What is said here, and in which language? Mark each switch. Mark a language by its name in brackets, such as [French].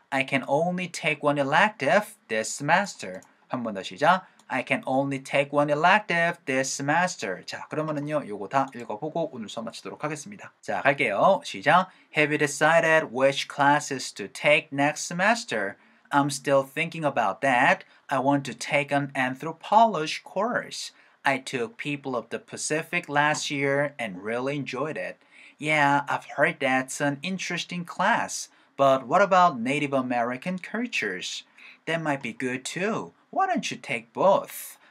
[English] I can only take one elective this semester. [Korean] 한 번 더 시작. [English] I can only take one elective this semester. [Korean] 자, 그러면은요 요거 다 읽어보고 오늘 수업 마치도록 하겠습니다. 자, 갈게요. 시작. [English] Have you decided which classes to take next semester? I'm still thinking about that. I want to take an anthropology course. I took People of the Pacific last year and really enjoyed it. Yeah, I've heard that's an interesting class. But what about Native American cultures? That might be good too. Why don't you take both?